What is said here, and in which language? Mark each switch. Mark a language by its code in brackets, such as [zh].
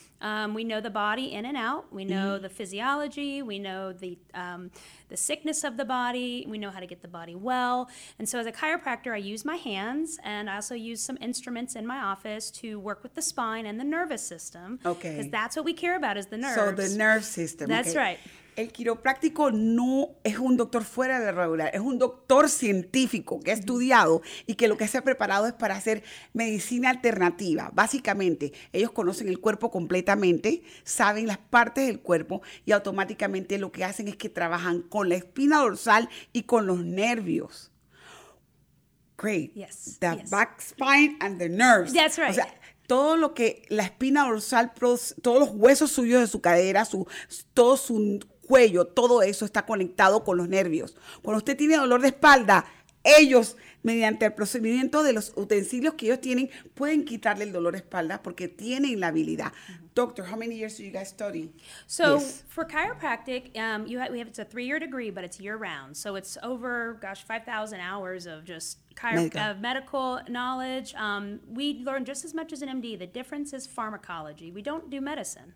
[en] We know the body in and out. We know the physiology. We know the sickness of the body. We know how to get the body well. And so as a chiropractor, I use my hands, and I also use some instruments in my office to work with the spine and the nervous system. Okay. Because that's what we care about is the nerves. So the nerve system. That's okay. Right. [es] El quiropráctico no es un doctor fuera de la regular, es un doctor científico que ha estudiado y que lo que se ha preparado es para hacer medicina alternativa. Básicamente, ellos conocen el cuerpo completamente, saben las partes del cuerpo y automáticamente lo que hacen es que trabajan con la espina dorsal y con los nervios. [en] Great. Yes. The yes. back spine and the nerves. That's right. [es] O sea, todo lo que la espina dorsal, todos los huesos suyos de su cadera, todo su cuello, todo eso está conectado con los nervios. Cuando usted tiene dolor de espalda, ellos, mediante el procedimiento de los utensilios que ellos tienen, pueden quitarle el dolor de espalda porque tienen la habilidad. [en] Doctor, how many years do you guys study? So, yes. For chiropractic, it's a 3-year degree, but it's year-round. So it's over, 5,000 hours of just medical knowledge. We learn just as much as an MD. The difference is pharmacology. We don't do medicine.